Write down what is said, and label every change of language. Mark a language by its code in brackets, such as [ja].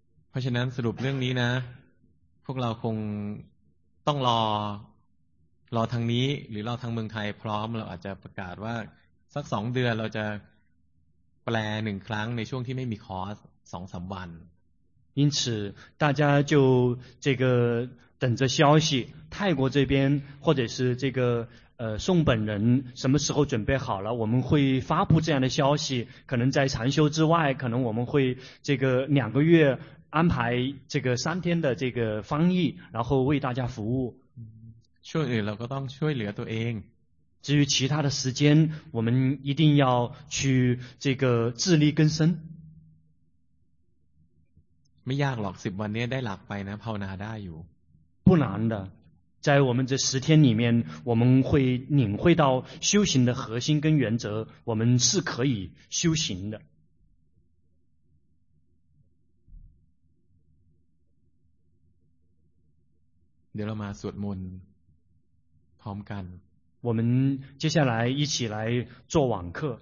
[th] เพราะฉะนั้นสรุปเรื่องนี้นะพวกเราคงต้องรอ รอทางนี้หรือรอทางเมืองไทยพร้อมเราอาจจะประกาศว่าสักสองเดือนเราจะแปลหนึ่งครั้งในช่วงที่ไม่มีคอร์สสองสามวัน [zh] 因此大家就这个等着消息泰国这边或者是这个宋本人什么时候准备好了我们会发布这样的消息可能在禅修之外可能我们会这个两个月安排这个三天的这个翻译然后为大家服务 [th] ช่วยเหลือเราก็ต้องช่วยเหลือตัวเอง [zh] 至于其他的时间我们一定要去这个自力更生 [th] ไม่ยากหรอกสิบวันนี้ได้หลักไปนะภาวนาได้อยู่ [zh] 不难的在我们这十天里面我们会领会到修行的核心跟原则我们是可以修行的 [th] เดี๋ยวเรามาสวดมนต์พร้อมกัน [zh] 我们接下来一起来做网课